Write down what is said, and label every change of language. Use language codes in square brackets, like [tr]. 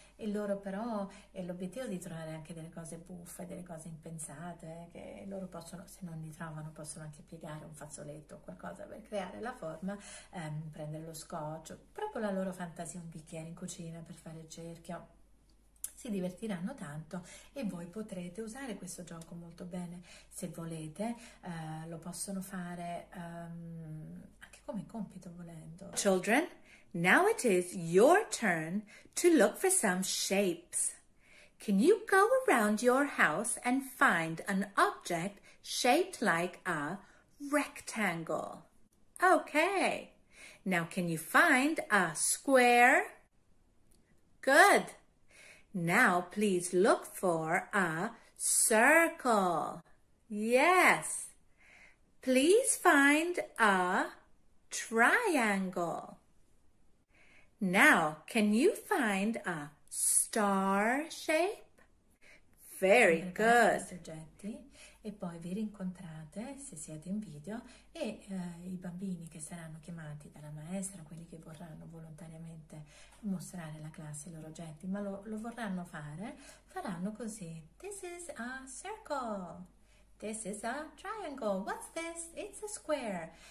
[it] E loro però, è l'obiettivo di trovare anche delle cose buffe, delle cose impensate, che loro possono, se non li trovano, possono anche piegare un fazzoletto o qualcosa per creare la forma, prendere lo scotch, proprio la loro fantasia, un bicchiere in cucina per fare il cerchio. Si divertiranno tanto e voi potrete usare questo gioco molto bene se volete. Lo possono fare anche come compito volendo. [en] Children, now it is your turn to look for some shapes. Can you go around your house and find an object shaped like a rectangle? Okay, now can you find a square? Good. Now please look for a circle. Yes. Please find a triangle. Now can you find a star shape? Very good. [it] E poi vi rincontrate se siete in video e i bambini che saranno chiamati dalla maestra, quelli che vorranno volontariamente mostrare alla classe i loro oggetti, ma lo vorranno fare, faranno così. [en] This is a circle. This is a triangle. What's this? It's a square.